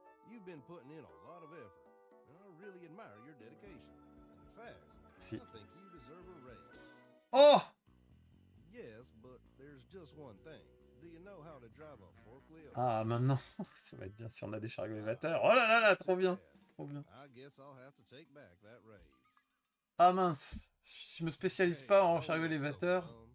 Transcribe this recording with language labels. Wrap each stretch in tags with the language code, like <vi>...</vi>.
<en>You've been putting in a lot of effort, and I really admire your dedication. In fact, si. I think you deserve a raise. Oh! Yes, but there's just one thing. Do you know how to drive a forklift?</en> <fr>Ah, maintenant, ça va être bien si on a des chariots élévateurs. Oh là là là, trop bien, trop bien.</fr> <en>I guess I'll have to take back that raise.</en> <fr>Ah mince, je me spécialise pas en chariots élévateurs.</fr>